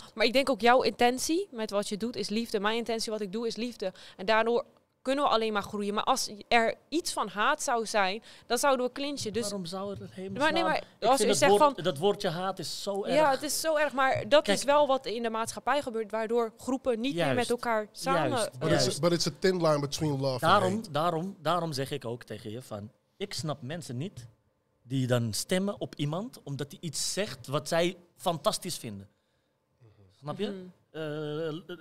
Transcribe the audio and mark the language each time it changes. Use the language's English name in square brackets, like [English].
[Dutch] Ja, maar ik denk ook jouw intentie met wat je doet is liefde. Mijn intentie wat ik doe is liefde. En daardoor kunnen we alleen maar groeien. Maar als er iets van haat zou zijn, dan zouden we clinchen. Dus waarom zou het hemelsnaam? Nee, maar als je zegt van dat woordje haat is zo erg. Ja, het is zo erg. Maar dat is wel wat in de maatschappij gebeurt, waardoor groepen niet meer met elkaar samen. [English] But it's a thin line between love and hate. [Dutch] Daarom zeg ik ook tegen je van, ik snap mensen niet die dan stemmen op iemand omdat hij iets zegt wat zij fantastisch vinden. Snap je? Mm-hmm.